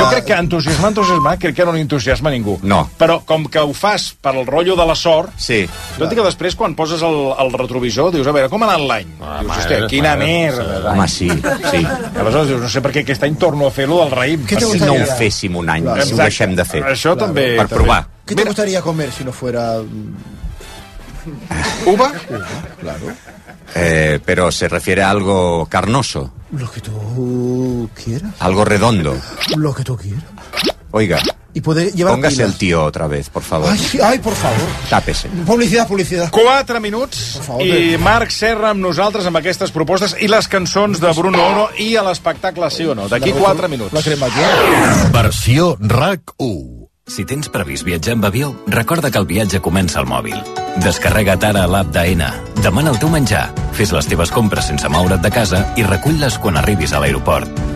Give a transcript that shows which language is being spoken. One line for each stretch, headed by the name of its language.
Catalan: Jo crec que entusiasmar, crec que no entusiasma ningú. No. Però com que ho fas per el rotllo de la sort... Sí. Jo et dic que després, quan poses el retrovisor, dius, a veure, com ha anat l'any? Dius, hòstia, quina merda. Home, sí, sí. Aleshores dius, no sé per què aquest any torno a fer-lo del raïm. Per si no ho féssim un any, si ho deixem de fer. Això també. Per provar.
Spanish: Què te gustaría comer si no fuera... Uva? Claro. Però se refiere a algo carnoso. Lo que tú quieras. Algo redondo. Lo que tú quieras. Oiga. Y puede llevar pilas. Póngase el tío otra vez, por favor. Ay, por favor. Tápese. Publicidad, publicidad.
Catalan: 4 minuts favor, i de... Marc Serra amb nosaltres amb aquestes propostes i les cançons de Bruno Oro i a l'espectacle Sí o No. D'aquí 4 minuts. La crema aquí. Versió RAC 1. Si tens previst viatjar amb avió, recorda que el viatge comença al mòbil. Descarrega't ara l'app d'Aena. Demana el teu menjar. Fes les teves compres sense moure't de casa i recull-les quan arribis a l'aeroport.